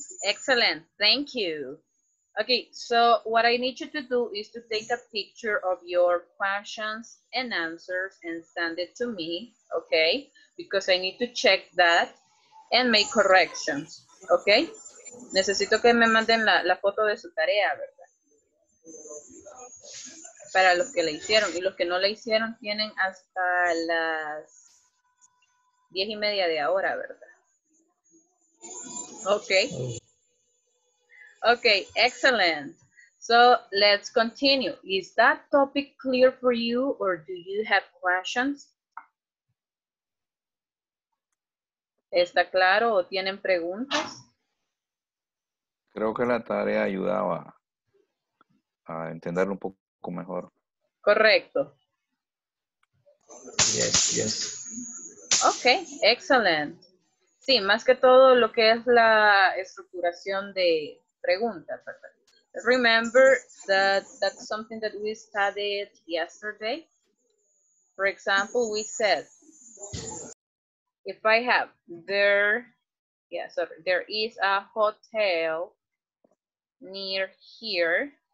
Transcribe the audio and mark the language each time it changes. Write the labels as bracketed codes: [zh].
[en] Excellent. Thank you. Okay, so what I need you to do is to take a picture of your questions and answers and send it to me, okay? Because I need to check that and make corrections, okay? [es] Necesito que me manden la foto de su tarea, ¿verdad? Para los que la hicieron. Y los que no la hicieron tienen hasta las 10:30 de ahora, ¿verdad? [en] Okay. Okay, excellent. So let's continue. Is that topic clear for you or do you have questions? [es] ¿Está claro o tienen preguntas? Creo que la tarea ayudaba a entenderlo un poco mejor. Correcto. [en] Yes, yes. Okay, excellent. [es] Sí, más que todo lo que es la estructuración de preguntas. [en] Remember that that's something that we studied yesterday. For example, we said, if I have there is a hotel near here.